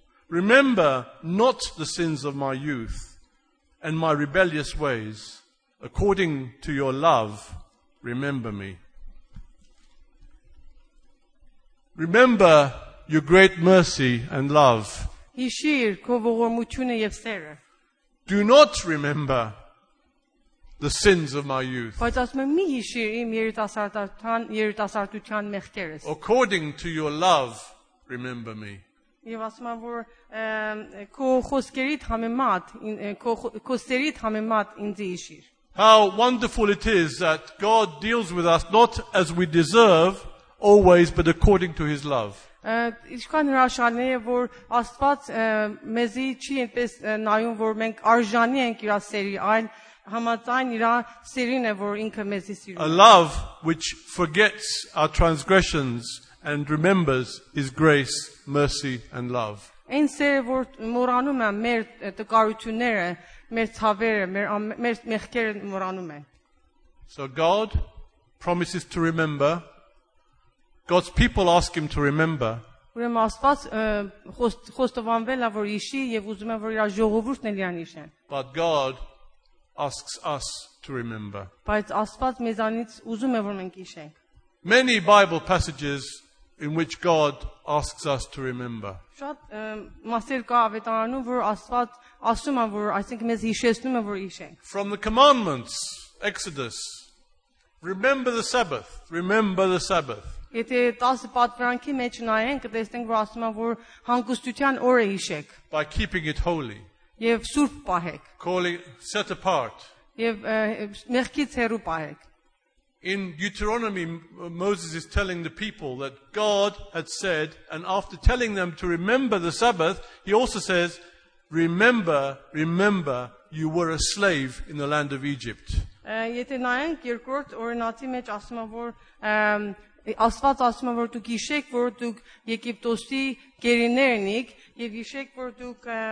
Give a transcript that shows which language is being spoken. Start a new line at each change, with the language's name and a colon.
English: Remember not the sins of my youth and my rebellious ways. According to your love, remember me. Remember your great mercy and love.
Armenian: Հիշիր քո ողորմությունը եւ սերը.
English: Do not remember the sins of my youth.
Armenian: Բայց ասում եմ, մի հիշիր իմ երիտասարդության մեղքերս.
English: According to your love, remember me.
Armenian: Եվ ասում եմ, որ քո խոսքերիդ համեմատ, քո սերիդ համեմատ ինձ հիշիր.
English: How wonderful it is that God deals with us not as we deserve always, but according to his love.
Armenian: Ինչքան հրաշալի է, որ Աստված մեզի չի այնպես նայում, որ մենք արժանի ենք իր սերի, այլ համաձայն իր սերին է, որ ինքը մեզի սիրում է.
English: A love which forgets our transgressions and remembers his grace, mercy and love.
Armenian: Այն սերը, որ մոռանում է մեր տկարությունները, մեր ցավերը, մեր մեղքերը մոռանում է.
English: So God promises to remember. God's people ask him to remember.
Armenian: Ուրեմն Աստված խոստովանվել է, որ հիշի եւ ուզում է, որ իր ժողովուրդն էլ հիշեն.
English: But God asks us to remember.
Armenian: Բայց Աստված մեզանից ուզում է, որ մենք հիշենք.
English: Many Bible passages in which God asks us to remember.
Armenian: Շատ մասեր կա Ավետարանում, որ Աստված ասում է, որ այսինքն մեզ հիշեցնում է, որ հիշենք.
English: From the commandments, Exodus. Remember the Sabbath. Remember the Sabbath.
Armenian: Եթե 10 պատվրանքի մեջ նայենք, կտեսնենք, որ ասում են, որ հանգստության օրը հիշեք։
English: By keeping it holy.
Armenian: Եվ սուրբ պահեք։
English: Call it set apart.
Armenian: Եվ մեղքից հեռու պահեք։
English: In Deuteronomy, Moses is telling the people that God had said, and after telling them to remember the Sabbath, he also says, remember, remember, you were a slave in the land of Egypt.
Armenian: Եթե նայենք երկրորդ օրինակի մեջ ասում են, որ Աստված ասում է, որ դուք հիշեք, որ դուք Եգիպտոսի գերիներն եք, եւ հիշեք, որ դուք